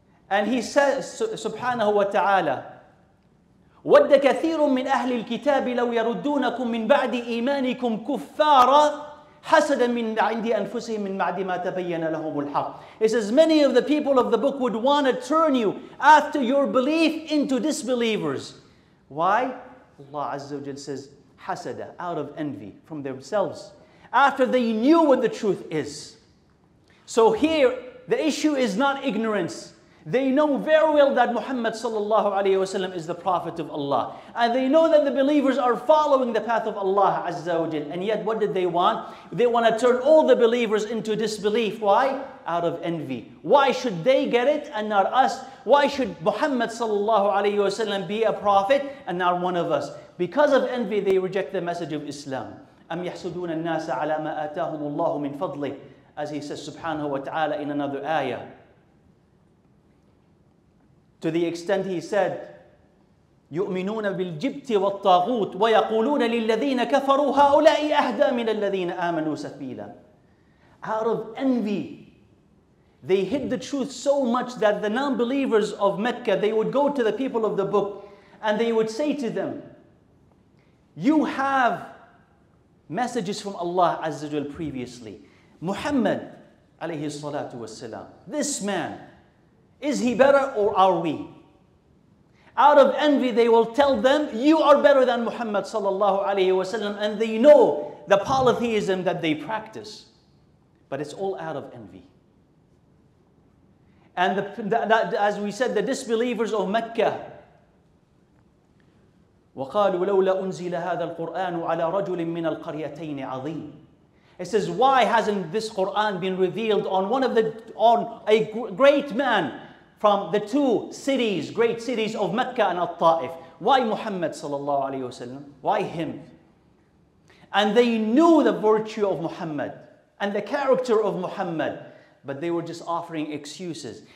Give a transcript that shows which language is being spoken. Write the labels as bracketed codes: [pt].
[en] And he says, [ar] subhanahu wa ta'ala, وَدَّ كَثِيرٌ مِّنْ أَهْلِ الْكِتَابِ لَوْ يَرُدُّونَكُمْ مِّنْ بَعْدِ إِيمَانِكُمْ كُفَّارًا حَسَدًا مِّنْ عِنْدِ أَنفُسِهِمْ مِّنْ بَعْدِ مَا تَبَيَّنَ لَهُمُ الْحَقِّ. [en] He says, many of the people of the book would want to turn you after your belief into disbelievers. Why? Allah Azza wa Jalla says, حَسَدًا, out of envy from themselves. After they knew what the truth is. So here, the issue is not ignorance. They know very well that Muhammad sallallahu alayhi wa sallam is the Prophet of Allah. And they know that the believers are following the path of Allah Azza wa Jal. And yet, what did they want? They want to turn all the believers into disbelief. Why? Out of envy. Why should they get it and not us? Why should Muhammad sallallahu alayhi wa sallam be a prophet and not one of us? Because of envy, they reject the message of Islam. [ar] أَمْ يَحْسُدُونَ النَّاسَ عَلَى مَا آتَاهُمُ اللَّهُ مِنْ فَضْلِهِ. [en] As he says subhanahu wa ta'ala in another ayah. To the extent he said, [ar] يُؤْمِنُونَ بِالْجِبْتِ وَالطَّاغُوتِ وَيَقُولُونَ لِلَّذِينَ كَفَرُوا هَؤُلَاءِ أَهْدَى مِنَ الَّذِينَ آمَنُوا سَبِيلًا. [en] Out of envy, they hid the truth so much that the non-believers of Mecca, they would go to the people of the book and they would say to them, you have messages from Allah Azza wa Jalla previously. Muhammad alayhi salatu wasalam, this man, is he better or are we? Out of envy, they will tell them, you are better than Muhammad sallallahu alayhi wa sallam, and they know the polytheism that they practice. But it's all out of envy. And as we said, the disbelievers of Mecca, [ar] وَقَالُوا لَوْلَا أُنزِلَ هَذَا الْقُرْآنُ عَلَى رَجُلٍ مِّنَ الْقَرْيَتَيْنِ عَظِيمٍ. [en] It says, why hasn't this Quran been revealed on a great man from the two cities, great cities of Mecca and Al-Ta'if? Why Muhammad sallallahu alayhi wa sallam? Why him? And they knew the virtue of Muhammad and the character of Muhammad, but they were just offering excuses.